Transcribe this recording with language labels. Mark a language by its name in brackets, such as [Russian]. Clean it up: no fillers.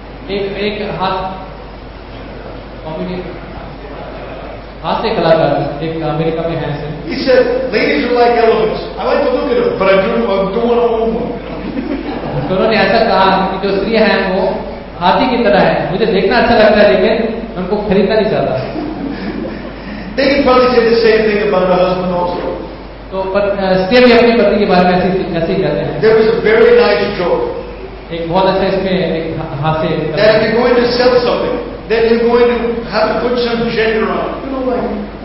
[Hindi] एक comedian. हास्य कलाकार एक अमेरिका में हैं. [English] He said, ladies are like elephants. I like to look at them, but I don't want to own them. [Hindi] उन्होंने ऐसा कहा कि जो स्त्रियां हैं वो हाथी की तरह है, मुझे देखना अच्छा लगता है लेकिन उनको खरीदना नहीं चाहता. [English] They can probably say the same thing about the husband also. [Hindi] तो स्त्रियां भी अपने पति के बारे में ऐसे ही कहते हैं. [English] There was a very nice joke. [Hindi] एक बहुत अच्छा इसमें एक हास्य. [English] That if you're going to sell something, then you're going to have to put some gender on.